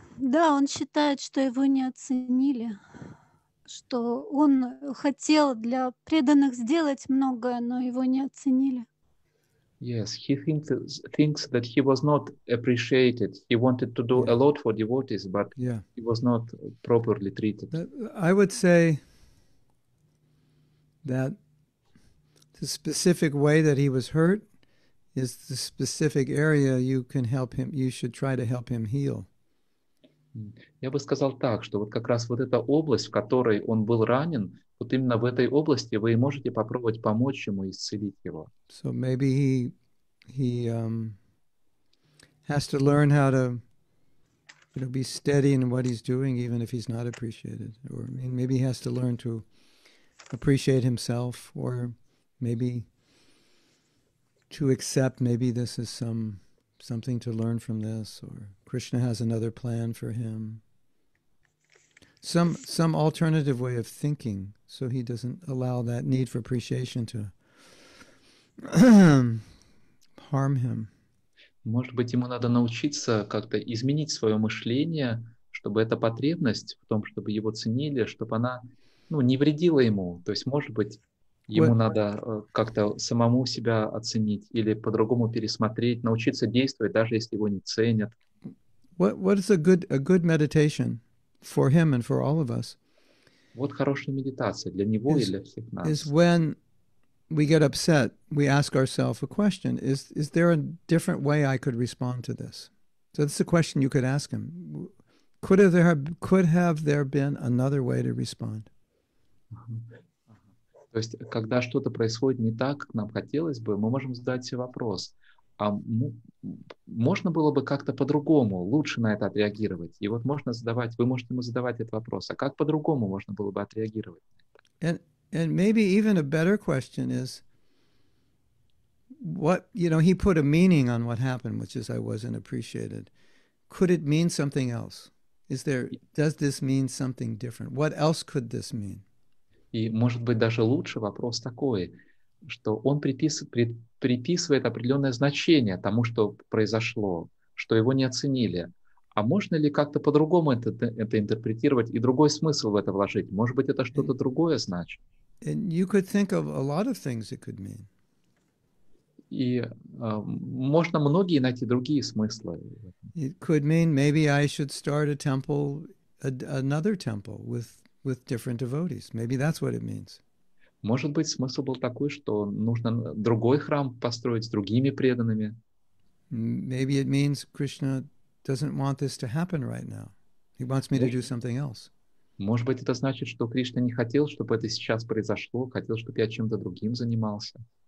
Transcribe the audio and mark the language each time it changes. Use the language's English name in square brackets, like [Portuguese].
[Russian] Да, он считает, что его не оценили, что он хотел для преданных сделать многое, но его не оценили. [English] Yes, he thinks that he was not appreciated. He wanted to do a lot for devotees, but he was not properly treated. I would say that the specific way that he was hurt is the specific area you can help him, you should try to help him heal. [Russian] Я бы сказал так, что вот как раз вот эта область, в которой он был ранен, вот именно в этой области вы можете попробовать помочь ему исцелить его. [English] So maybe he has to learn how to, you know, be steady in what he's doing, even if he's not appreciated. Or maybe he has to learn to appreciate himself, or maybe to accept, maybe this is something to learn from this, or Krishna has another plan for him. Some alternative way of thinking, so he doesn't allow that need for appreciation to harm him. [Russian] Может быть, ему надо научиться как-то изменить свое мышление, чтобы эта потребность в том, чтобы его ценили, чтобы она, ну, не вредила ему. То есть, может быть, ему надо как-то самому себя оценить или по-другому пересмотреть, научиться действовать, даже если его не ценят. [English] What is a good meditation for him and for all of us? [Russian] Вот хорошая медитация для него и для всех нас. [English] Is when we get upset, we ask ourselves a question: Is there a different way I could respond to this? So that's a question you could ask him. Could have there been another way to respond? [Russian] То есть, когда что-то происходит не так, как нам хотелось бы, мы можем задать себе вопрос. А можно было бы как-то по-другому, лучше на это отреагировать? И вот можно задавать, вы можете ему задавать этот вопрос, а как по-другому можно было бы отреагировать? [English] And maybe even a better question is, what, you know, he put a meaning on what happened, which is I wasn't appreciated. Could it mean something else? Does this mean something different? What else could this mean? [Russian] И может быть даже лучше вопрос такой, что он приписывает определенное значение тому, что произошло, что его не оценили. А можно ли как-то по-другому это интерпретировать и другой смысл в это вложить? Может быть, это что-то другое значит? [English] And you could think of a lot of things it could mean. [Russian] И можно многие найти другие смыслы. [English] It could mean maybe I should start a temple, another temple with different devotees. Maybe that's what it means. [Russian] Может быть, смысл был такой, что нужно другой храм построить с другими преданными. [English] Maybe it means Krishna doesn't want this to happen right now. He wants me to do something else. [Russian] Может быть, это значит, что Кришна не хотел, чтобы это сейчас произошло, хотел, чтобы я чем-то другим занимался.